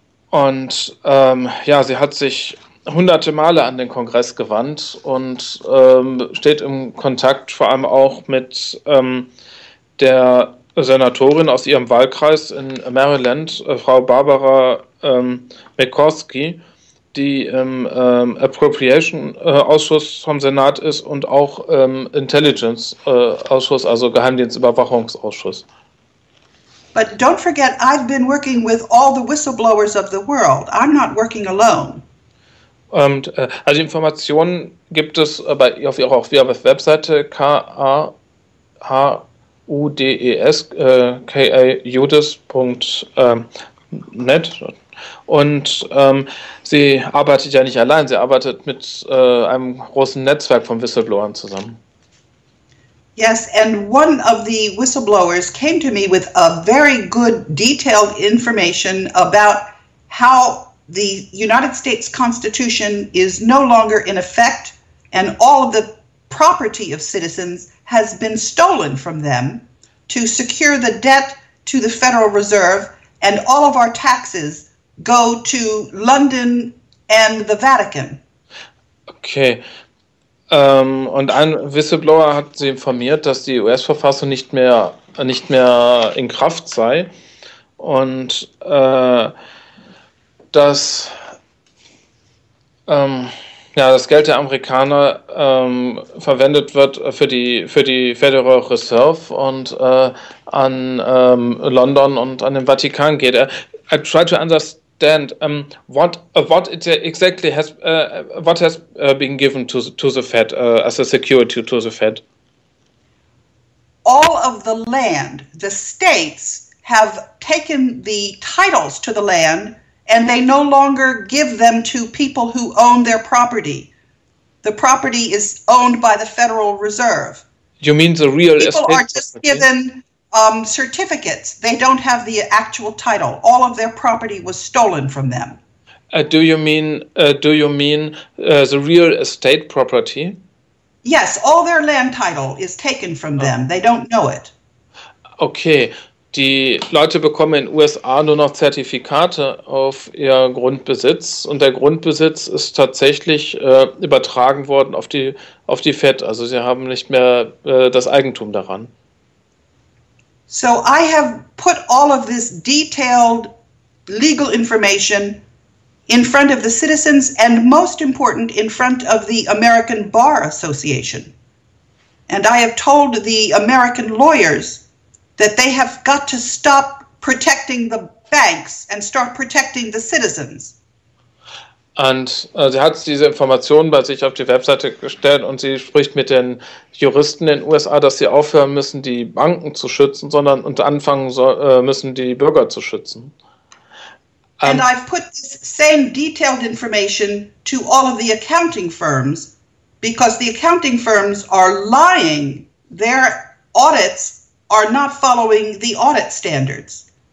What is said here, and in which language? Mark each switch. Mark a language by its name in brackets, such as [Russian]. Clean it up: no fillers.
[German] Und sie hat sich hunderte Male an den Kongress gewandt und steht im Kontakt vor allem auch mit der Senatorin aus ihrem Wahlkreis in Maryland, Frau Barbara Mikulski, die im Appropriation-Ausschuss vom Senat ist und auch im Intelligence-Ausschuss, also Geheimdienstüberwachungsausschuss. [English] But don't forget, I've been working with all the whistleblowers of the world. I'm not working alone. [German] Und, also Informationen gibt es bei auf ihrer Webseite kahudes.net. Und sie arbeitet ja nicht allein, sie arbeitet mit einem großen Netzwerk von Whistleblowern zusammen. [English] Yes, and one of the whistleblowers came to me with a very good detailed information about how the United States Constitution is no longer in effect and all of the property of citizens has been stolen from them to secure the debt to the Federal Reserve and all of our taxes go to London and the Vatican. Okay. [German] Und ein Whistleblower hat sie informiert, dass die US-Verfassung nicht mehr in Kraft sei und das Geld der Amerikaner verwendet wird für die Federal Reserve und an London und an den Vatikan geht. [English] I try to understand. And what has been given to the Fed as a security to the Fed? All of the land, the states have taken the titles to the land and they no longer give them to people who own their property. The property is owned by the Federal Reserve. You mean the real estate? People are just property? Given certificates. They don't have the actual title. All of their property was stolen from them. The real estate property? Yes, all their land title is taken from them. They don't know it. Okay. [German] die Leute bekommen in den USA nur noch Zertifikate auf ihr Grundbesitz und der Grundbesitz ist tatsächlich übertragen worden auf die FED. Also sie haben nicht mehr das Eigentum daran. [English] So I have put all of this detailed legal information in front of the citizens and most important in front of the American Bar Association. And I have told the American lawyers that they have got to stop protecting the banks and start protecting the citizens. [German] Und sie hat diese Informationen bei sich auf die Webseite gestellt und sie spricht mit den Juristen in den USA, dass sie aufhören müssen, die Banken zu schützen, sondern und anfangen müssen, die Bürger zu schützen. [English] And I've put this same detailed information to all of the accounting firms, because the accounting firms are lying. Their audits are not following the audit standards.